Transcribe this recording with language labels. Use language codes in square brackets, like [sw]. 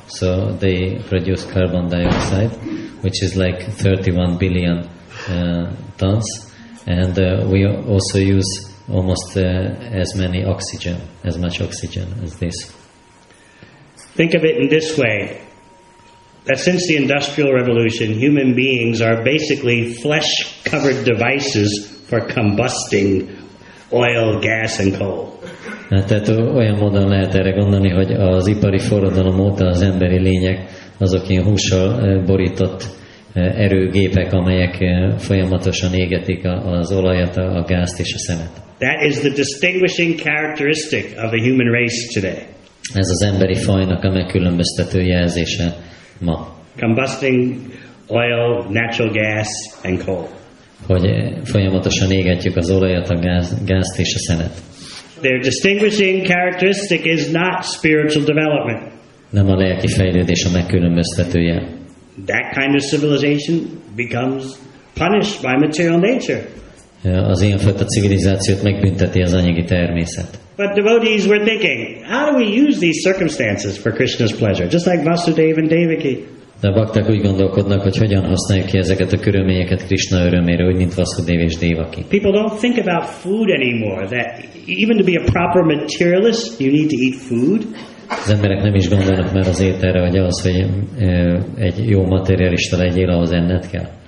[en] So they produce carbon dioxide, which is like 31 billion tons, and we also use almost as much oxygen as this. Think of it in this way. That since the Industrial Revolution, human beings are basically flesh-covered devices for combusting oil, gas, and coal. [hu] Tehát olyan módon lehet erre gondolni, hogy az ipari forradalom óta az emberi lények azok ilyen hússal borított erőgépek, amelyek folyamatosan égetik az olajat, a gázt és a szemet. [en] That is the distinguishing characteristic of the human race today. [hu] Ez az emberi fajnak a megkülönböztető jelzése. Ma. [en] Combusting oil, natural gas, and coal. [hu] Hogy folyamatosan égetjük az olajat, a gázt és a szenet. [en] Their distinguishing characteristic is not spiritual development. [hu] Nem a lelki fejlődés a megkülönböztetője. [en] That kind of civilization becomes punished by material nature. [hu] Az ilyenfajta civilizációt megbünteti az anyagi természet. [en] But devotees were thinking, how do we use these circumstances for Krishna's pleasure? Just like Vasudeva and Devaki. [hu] De a bakták úgy gondolkodnak, hogy hogyan használják ki ezeket a körülményeket Krishna örömére, úgy mint Vasudev és Devaki. [en] People don't think about food anymore. That even to be a proper materialist, you need to eat food. [hu] Az emberek nem is gondolnak már az ételre, vagy ahhoz, hogy egy jó materialista legyél, ahhoz enned kell.